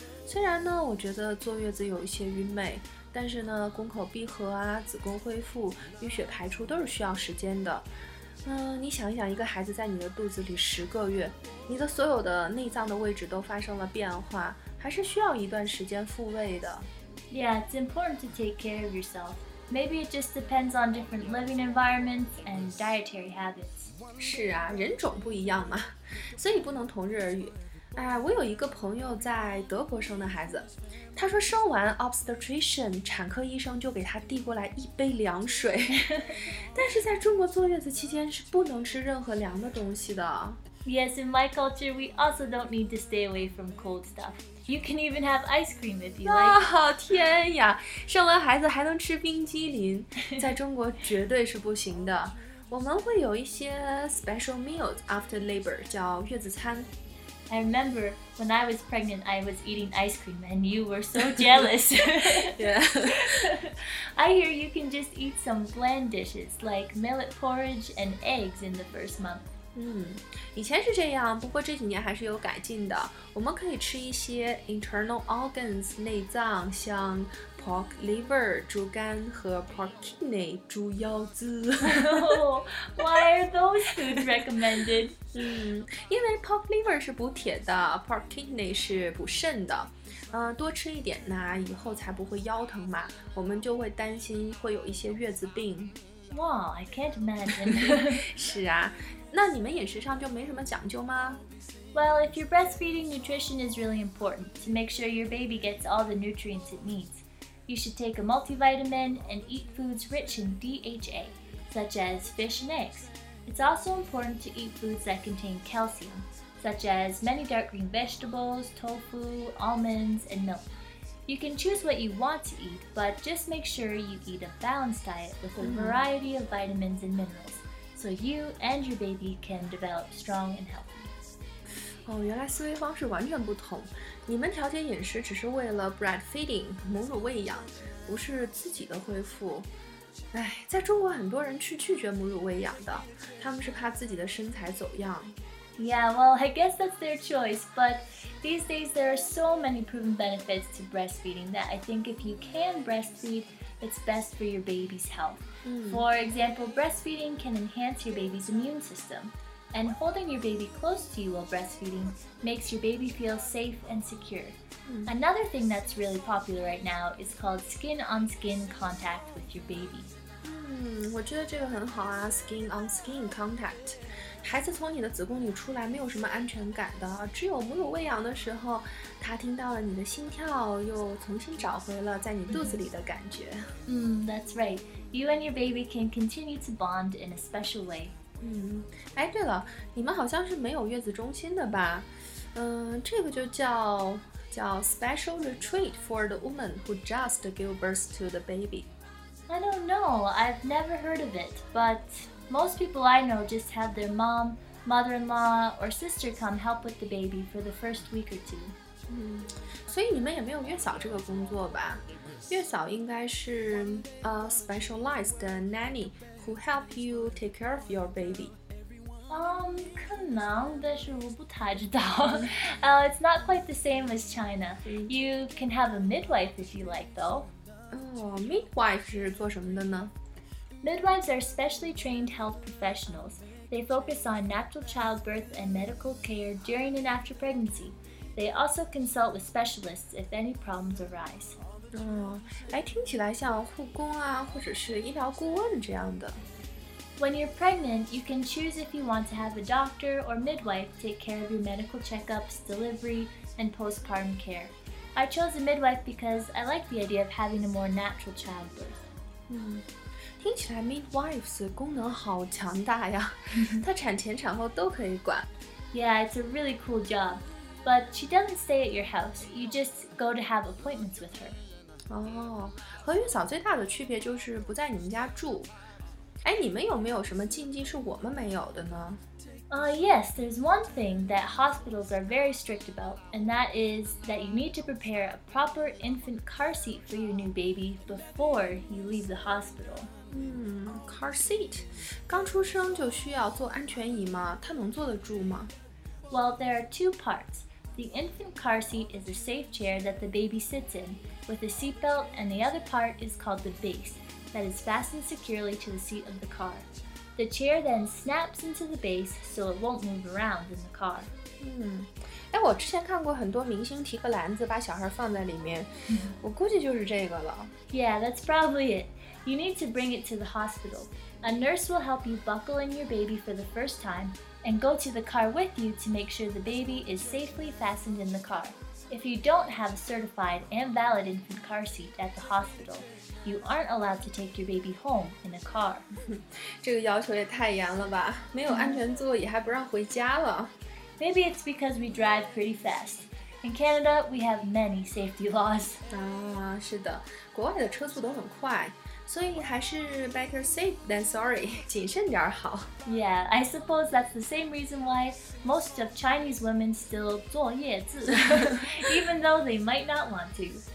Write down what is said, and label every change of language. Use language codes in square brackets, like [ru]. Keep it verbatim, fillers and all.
[zh] 虽然呢，我觉得坐月子有一些愚昧，但是呢，宫口闭合啊、子宫恢复、淤血排出都是需要时间的。嗯，你想一想，一个孩子在你的肚子里十个月，你的所有的内脏的位置都发生了变化，还是需要一段时间复位的。 [en] Yeah, it's important to take care of yourself. Maybe it just depends on different living environments and dietary habits. [zh] 是啊，人种不一样嘛，所以不能同日而语。哎，我有一个朋友在德国生的孩子，他说生完 obstetrician 产科医生就给他递过来一杯凉水，但是在中国坐月子期间是不能吃任何凉的东西的。 [en] Yes, in my culture, we also don't need to stay away from cold stuff. You can even have ice cream if you like. [zh] 哦，天呀，生完孩子还能吃冰激凌，在中国绝对是不行的。我们会有一些 [en] special meals after labor， [zh] 叫月子餐。 [en] I remember when I was pregnant, I was eating ice cream and you were so jealous. Yeah. I hear you can just eat some bland dishes like millet porridge and eggs in the first month. [zh] 嗯，以前是这样，不过这几年还是有改进的。我们可以吃一些 internal organs 内脏，像 pork liver 猪肝和 pork kidney 猪腰子。 [en] Oh, why are those foods recommended? [zh] 嗯，因为 pork liver 是补铁的 ，pork kidney 是补肾的。嗯、呃，多吃一点呢，以后才不会腰疼嘛。我们就会担心会有一些月子病。 [en] Wow, I can't imagine. [zh] 是啊。那你们饮食上就没什么讲究吗？ [en] Well, if you're breastfeeding, nutrition is really important to make sure your baby gets all the nutrients it needs. You should take a multivitamin and eat foods rich in D H A, such as fish and eggs. It's also important to eat foods that contain calcium, such as many dark green vegetables, tofu, almonds, and milk. You can choose what you want to eat, but just make sure you eat a balanced diet with a variety of vitamins and minerals. So you and your baby can develop strong and healthy. [zh] 哦，原来思维方式完全不同。你们调节饮食只是为了 breastfeeding 母乳喂养，不是自己的恢复。哎，在中国很多人是拒绝母乳喂养的，他们是怕自己的身材走样。 [en] Yeah, well, I guess that's their choice, but these days there are so many proven benefits to breastfeeding that I think if you can breastfeed, it's best for your baby's health. Mm. For example, breastfeeding can enhance your baby's immune system, and holding your baby close to you while breastfeeding makes your baby feel safe and secure. Mm. Another thing that's really popular right now is called skin-on-skin contact with your baby. [zh] 嗯，我觉得这个很好啊 ，skin-on-skin contact。孩子从你的子宫里出来没有什么安全感的，只有母乳喂养的时候，他听到了你的心跳，又重新找回了在你肚子里的感觉。 [en] 嗯， that's right. You and your baby can continue to bond in a special way. [zh] 嗯，哎，对了，你们好像是没有月子中心的吧？ [en] 嗯， [zh] 这个就叫叫 [en] special retreat for the woman who just gave birth to the baby. I don't know. I've never heard of it, but. Most people I know just have their mom, mother-in-law, or sister come help with the baby for the first week or two. [zh] 嗯，所以你们也没有月嫂这个工作吧？月嫂应该是 [en] a specialized nanny who help you take care of your baby. [zh] Um, 可能，但是我不太知道。 [en] Uh, it's not quite the same as China. You can have a midwife if you like, though. [zh] 哦， midwife 是做什么的呢？ [en] Midwives are specially trained health professionals. They focus on natural childbirth and medical care during and after pregnancy. They also consult with specialists if any problems arise. [zh] 嗯，哎，听起来像护工啊，或者是医疗顾问这样的。 [en] When you're pregnant, you can choose if you want to have a doctor or midwife take care of your medical checkups, delivery, and postpartum care. I chose a midwife because I like the idea of having a more natural childbirth. [zh] 嗯。听起来 midwives 功能好强大呀，她产前产后都可以管。 [en] Yeah, it's a really cool job, but she doesn't stay at your house. You just go to have appointments with her. [zh] 哦，和月嫂最大的区别就是不在你们家住。哎，你们有没有什么禁忌是我们没有的呢？ [en] Uh, yes, there's one thing that hospitals are very strict about, and that is that you need to prepare a proper infant car seat for your new baby before you leave the hospital. [zh] 嗯 car seat 刚出生就需要坐安全椅吗？他能坐得住吗？ [en] Well, there are two parts. The infant car seat is a safe chair that the baby sits in with a seatbelt, and the other part is called the base that is fastened securely to the seat of the car. The chair then snaps into the base so it won't move around in the car. [zh] 嗯，哎，我之前看过很多明星提个篮子把小孩放在里面，我估计就是这个了。 [en] Yeah, that's probably it. You need to bring it to the hospital. A nurse will help you buckle in your baby for the first time, and go to the car with you to make sure the baby is safely fastened in the car. If you don't have a certified and valid infant car seat at the hospital, you aren't allowed to take your baby home in a car. [zh] 这个要求也太严了吧，没有安全座椅还不让回家了。 [en] Maybe it's because we drive pretty fast. In Canada, we have many safety laws. [zh] 啊，是的，国外的车速都很快。所以还是 [en] better safe than sorry, [zh] 谨慎点好。 [en] Yeah, I suppose that's the same reason why most of Chinese women still 坐月子 even though they might not want to.